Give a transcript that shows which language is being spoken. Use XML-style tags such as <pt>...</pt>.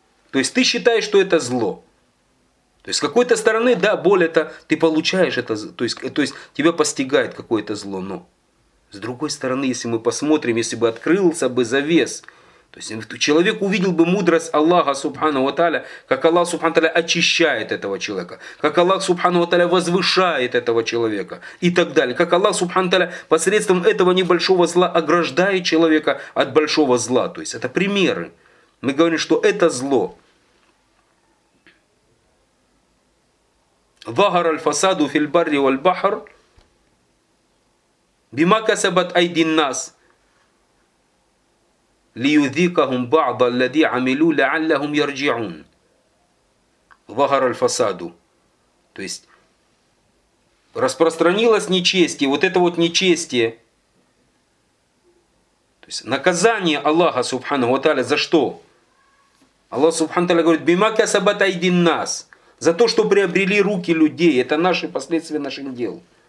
<ru>То есть ты считаешь, что это зло. То есть с какой-то стороны, да, боль это, ты получаешь это, то есть тебя постигает какое-то зло, но с другой стороны, если мы посмотрим, если бы открылся бы завес, то есть человек увидел бы мудрость Аллаха Субхану ва Тааля, как Аллах Субхану ва Тааля очищает этого человека, как Аллах Субхану ва Тааля возвышает этого человека и так далее. Как Аллах Субхану ва Тааля посредством этого небольшого зла ограждает человека от большого зла. То есть это примеры. Мы говорим, что это зло.</ru> <ar>ظهر الفساد في البر والبحر بما كسبت أيدي الناس ليذيقهم بعض الذي عملوا لعلهم يرجعون. ظهر الفساد.</ar> <ru>То есть распространилось нечестие, вот это вот нечестие. То есть наказание Аллаха Субханаху Таля за что? Аллах Субханаху Таля говорит,</ru> <ar>бима касабат айдин нас,</ar> <ru>за то, что приобрели руки людей, это наши последствия наших дел.</ru>